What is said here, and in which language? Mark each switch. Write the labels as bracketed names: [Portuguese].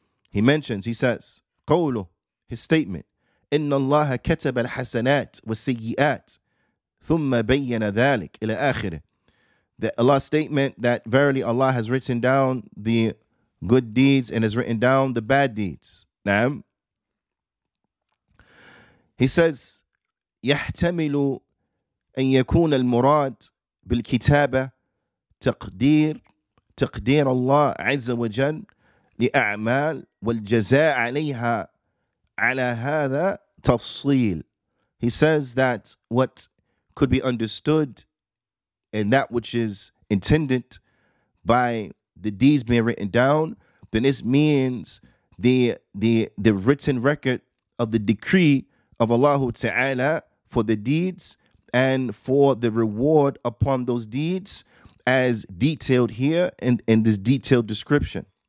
[English] He mentions, he says, [Arabic] قوله, [English] his statement, [Arabic] إِنَّ اللَّهَ كَتَبَ الْحَسَنَاتِ وَالسَّيِّئَاتِ ثُمَّ بَيَّنَ ذَلِكَ إِلَى آخِرِهِ. [English] That Allah's statement that verily Allah has written down the good deeds and has written down the bad deeds. [Arabic] نعم. [English] He says, [Arabic] يَحْتَمِلُ أن يكون المراد بالكتابة تقدير الله عز وجل لأعمال والجزاء عليها على هذا تفصيل. [English] He says that what could be understood and that which is intended by the deeds being written down, then this means the written record of the decree of Allah Ta'ala for the deeds and for the reward upon those deeds as detailed here in this detailed description.